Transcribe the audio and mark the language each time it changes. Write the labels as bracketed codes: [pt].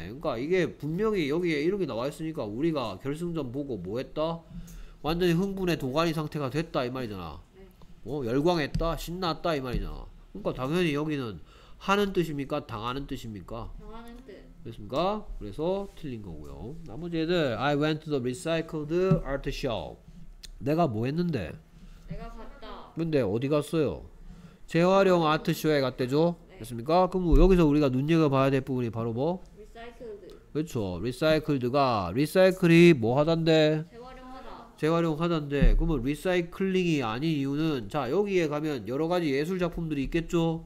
[ko] 그러니까 이게 분명히 여기에 이런 게 나와 있으니까 우리가 결승전 보고 뭐 했다? 완전히 흥분의 도가니 상태가 됐다 이 말이잖아. 네. 열광했다? 신났다 이 말이잖아. 그러니까 당연히 여기는 하는 뜻입니까? 당하는 뜻입니까? 당하는 뜻. 됐습니까? 그래서 틀린 거고요. 나머지 애들 [en] I went to the recycled art shop. [ko] 내가 뭐 했는데? 내가 갔다. 근데 어디 갔어요? 재활용 아트쇼에 갔대죠? 네. 됐습니까? 그럼 여기서 우리가 눈여겨봐야 될 부분이 바로 뭐? [en] recycled. [ko] 그렇죠. recycled가 recycle이 뭐 하던데? 재활용하다. 재활용하던데. 그러면 recycling이 아닌 이유는 자 여기에 가면 여러 가지 예술 작품들이 있겠죠?